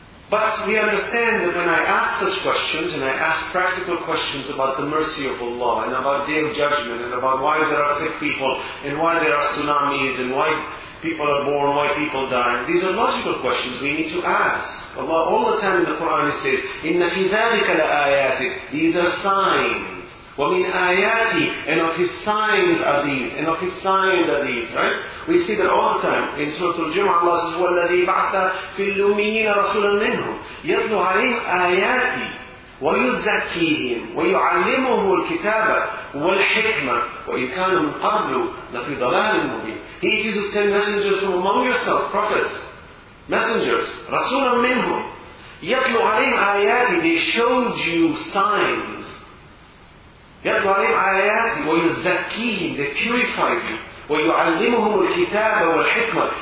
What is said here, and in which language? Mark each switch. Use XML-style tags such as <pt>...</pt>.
<en>But we understand that when I ask such questions, and I ask practical questions about the mercy of Allah, and about Day of Judgment, and about why there are sick people, and why there are tsunamis, and why people are born, why people die. These are logical questions we need to ask. Allah all the time in the Quran says,</en> <ar>إِنَّ فِي ذَلِكَ لَآيَاتِكَ.</ar> <en>These are signs.</en> <ar>ومن آياته.</ar> <en>And of his signs are these. And of his signs are these. Right? We see that all the time in Surah Al-Jum'ah, Allah says,</en> <ar>وَالَّذِي بَعْثَ فِي الْأُمِّيِّينَ رَسُولًا مِنْهُمْ يَتْلُو عَلَيْهِمْ آيَاتِي وَيُزَكِّيهِمْ وَيُعَلِّمُهُمُ الْكِتَابَ وَالْحِكْمَةَ وَإِنْ كَانُوا مِنْ قَبْلُ لَفِي ضَلَالٍ مُبِينٍ.</ar> <en>He uses 10 messengers from among yourselves, prophets, messengers,</en> <ar>رَسُولًا مِنْهُمْ يَتْلُو عَلَيْهِمْ آيَاتِي.</ar> <en>They showed you signs.</en> <ar>يَتْلُو عَلَيْهِمْ آيَاتِي وَيُزَكِّيهِمْ.</ar> <en>They purified you.</en> <ar>وَيُعَلِّمُهُمُ الْكِتَابَ وَالْحِكْمَةَ.</ar>